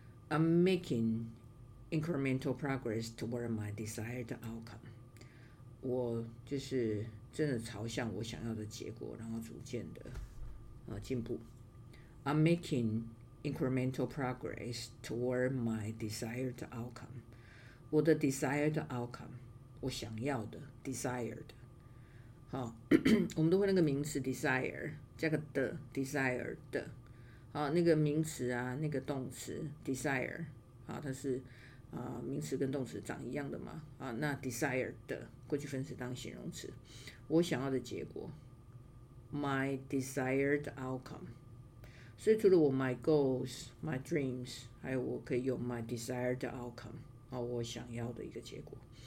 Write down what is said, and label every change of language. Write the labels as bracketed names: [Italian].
[English] I'm making incremental progress toward my desired outcome. [Chinese] 我就是真的朝向我想要的结果，然后逐渐的进步。 [English] I'm making incremental progress toward my desired outcome. [Chinese] 我的 [English] desired outcome. [Chinese] 我想要的 desired， 好，我们都会那个名词 desire 加个的 desired 的，好，那个名词啊，那个动词 desire， 好，它是、名词跟动词长一样的嘛，啊，那 desired 的过去分词当形容词，我想要的结果 ， [English] my desired outcome， [Chinese] 所以除了我 [English] my goals my dreams， [Chinese] 还有我可以用 my desired outcome， 好，我想要的一个结果。